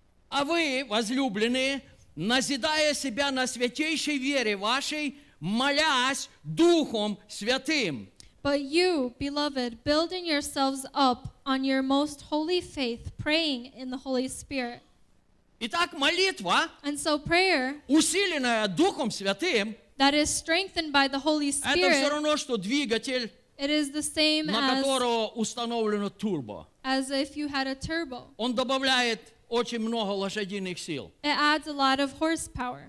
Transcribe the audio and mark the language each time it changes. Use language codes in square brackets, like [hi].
[ru] А вы, возлюбленные, назидая себя на святейшей вере вашей, молясь Духом Святым. [en] But you, beloved, building yourselves up on your most holy faith, praying in the Holy Spirit. [ru] Итак, молитва, [en] and so prayer, [ru] усиленная Духом Святым, [en] that is strengthened by the Holy Spirit, [ru] это все равно, что двигатель, [en] it is the same [ru] на которого установлено турбо. [en] As if you had a turbo. [ru] Он добавляет очень много лошадиных сил. [en] It adds a lot of horsepower.